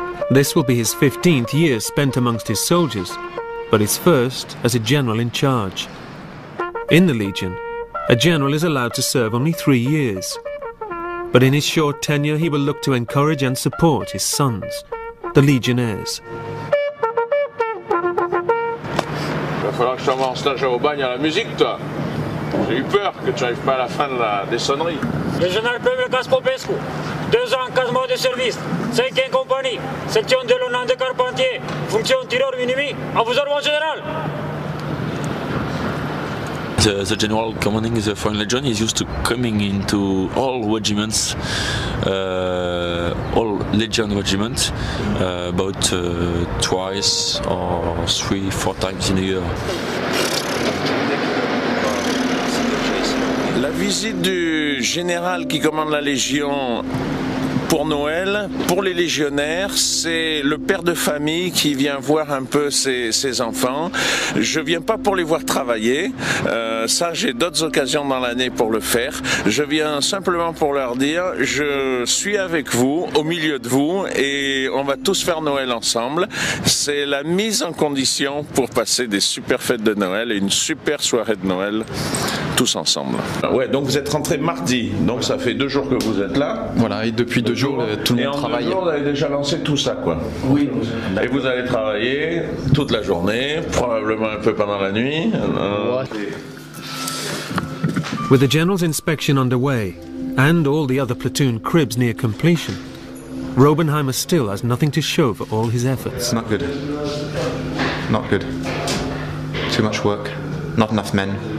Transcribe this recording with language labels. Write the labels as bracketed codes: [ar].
[en] This will be his 15th year spent amongst his soldiers, but his first as a general in charge. In the Legion, a general is allowed to serve only 3 years. But in his short tenure, he will look to encourage and support his sons, the Legionnaires. [fr] Il va falloir que je t'envoie en stage au bagne à la musique, toi. J'ai eu peur que tu arrives pas à la fin de la sonnerie. Le général Pepe Gaspo Pescu, 2 ans, 4 mois de service, 5e compagnie, 7e de l'honneur de Carpentier, fonction tireur minimi, à vos ordres, mon général. The general commanding the Foreign Legion is used to coming into all regiments, all Legion regiments, about twice or 3-4 times in a year. La visite du général qui commande la Légion pour Noël, pour les légionnaires, c'est le père de famille qui vient voir un peu ses enfants. Je viens pas pour les voir travailler, ça j'ai d'autres occasions dans l'année pour le faire. Je viens simplement pour leur dire, je suis avec vous, au milieu de vous, et on va tous faire Noël ensemble. C'est la mise en condition pour passer des super fêtes de Noël et une super soirée de Noël. Tous ensemble. Ouais, donc vous êtes rentré mardi, donc voilà. Ça fait 2 jours que vous êtes là. Voilà, et depuis deux jours, tout le monde travaille. Et en 2 jours, vous avez déjà lancé tout ça, quoi. Oui. Et vous allez travailler toute la journée, probablement un peu pendant la nuit. Ouais. [en] With the general's inspection underway, and all the other platoon cribs near completion, Robenheimer still has nothing to show for all his efforts. Not good. Not good. Too much work. Not enough men.